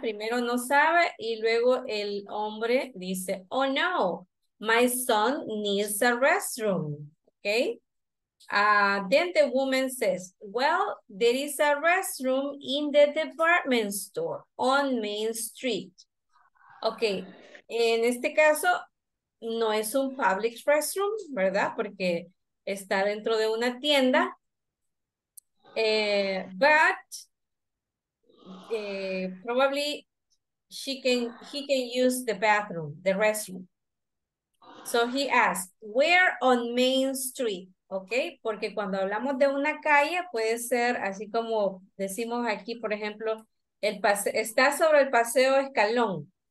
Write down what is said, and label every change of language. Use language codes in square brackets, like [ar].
[es] Primero no sabe y luego el hombre dice, [en] oh no, my son needs a restroom. Okay, then the woman says, well, there is a restroom in the department store on Main Street. [es] Okay, en este caso no es un public restroom, ¿verdad? Porque está dentro de una tienda. [en] But probably he can use the bathroom, the restroom. So he asked, where on Main Street? [es] Okay, porque cuando hablamos de una calle, puede ser así como decimos aquí, por ejemplo, está sobre el paseo Escalón.